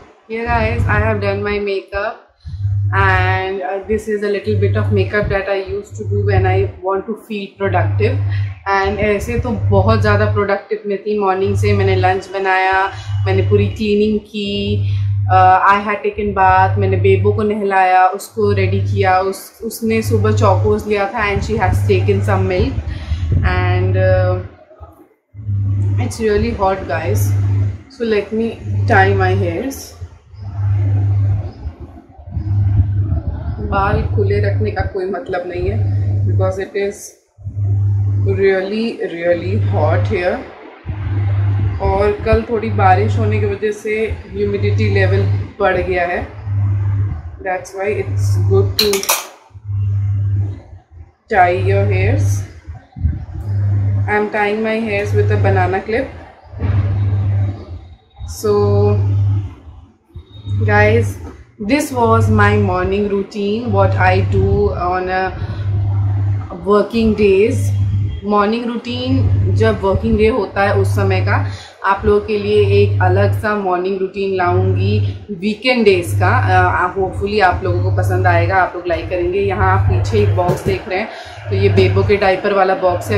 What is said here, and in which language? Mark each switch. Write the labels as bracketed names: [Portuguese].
[English] I have done my makeup and this is a little bit of makeup that I used to do when I want to feel productive. [Hindi] And ऐसे तो बहुत ज़्यादा productive में थी. Morning से मैंने lunch बनाया, मैंने पूरी cleaning की, [English] I had taken bath, [Hindi] मैंने बेबो को नहलाया, उसको ready किया, उसने सुबह chocos लिया था [English] and she has taken some milk and it's really hot, guys. So let me tie my hairs. [Hindi] बाल खुले रखने का कोई मतलब नहीं है [English] Because it is really really hot here. [Hindi] और कल थोड़ी बारिश होने की वजह से ह्यूमिडिटी लेवल बढ़ गया है. [English] That's why it's good to tie your hairs. I am tying my hairs with a banana clip. So guys, this was my morning routine, what I do on a working days. [Hindi] Morning routine जब working day होता है उस समय का, आप लोगों के लिए एक अलग सा morning routine लाऊंगी weekend days का. hopefully आप लोगों को पसंद आएगा, आप लोग like करेंगे. यहाँ आप पीछे एक box देख रहे हैं तो ये बेबो के diaper वाला box है.